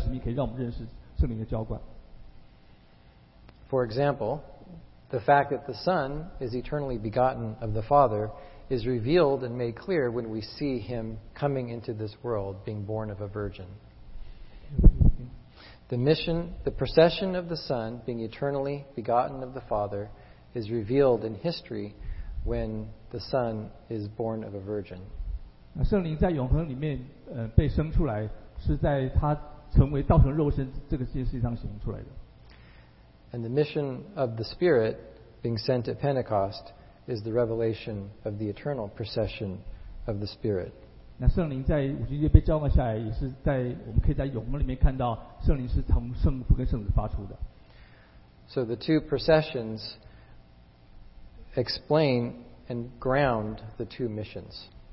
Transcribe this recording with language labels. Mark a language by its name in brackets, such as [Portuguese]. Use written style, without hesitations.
[Chinese] 这个宣教使命可以让我们认识什么叫做发出，就是圣灵在五旬节被交给下来。这个宣教使命可以让我们认识圣灵的浇灌。 [English] For example, the fact that the Son is eternally begotten of the Father is revealed and made clear when we see Him coming into this world, being born of a virgin. The mission, the procession of the Son being eternally begotten of the Father is revealed in history when the Son is born of a virgin. [Chinese] 圣灵在永恒里面被生出来，是在他成为道成肉身这个事情上显出来的。 [English] And the mission of the Spirit being sent at Pentecost is the revelation of the eternal procession of the Spirit. [Chinese] 那圣灵在五旬节被浇灌下来，也是在我们可以在永恒里面看到圣灵是从圣父跟圣子发出的。 [English] So the two processions explain and ground the two missions.